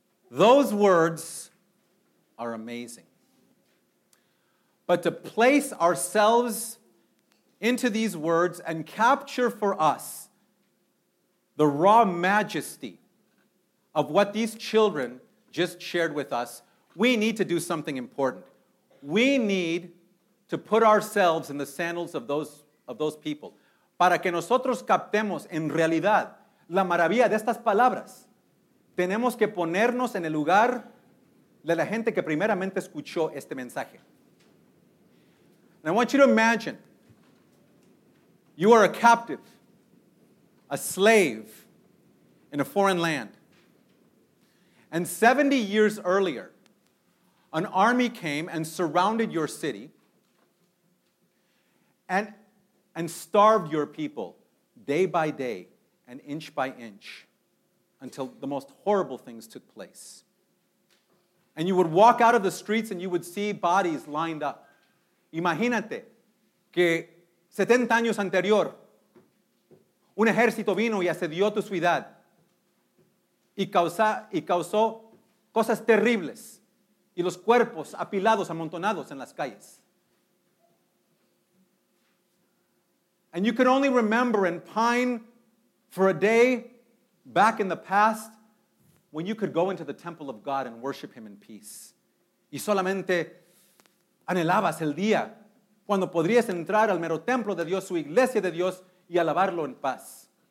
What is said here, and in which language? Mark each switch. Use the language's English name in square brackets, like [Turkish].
[English] Those words are amazing. But to place ourselves into these words and capture for us the raw majesty of what these children just shared with us, we need to do something important. We need to put ourselves in the sandals of those people. [Spanish] Para que nosotros captemos en realidad la maravilla de estas palabras, tenemos que ponernos en el lugar de la gente que primeramente escuchó este mensaje. [English] And I want you to imagine you are a captive, a slave in a foreign land. And 70 years earlier, an army came and surrounded your city and starved your people day by day and inch by inch, until the most horrible things took place. And you would walk out of the streets and you would see bodies lined up. [Spanish] Imagínate que 70 años anterior, un ejército vino y asedió tu ciudad y causó cosas terribles y los cuerpos apilados, amontonados en las calles. [English] And you can only remember and pine for a day back in the past, when you could go into the temple of God and worship him in peace. [Spanish] Y solamente anhelabas el día cuando podrías entrar al mero templo de Dios, su iglesia de Dios, y alabarlo en paz.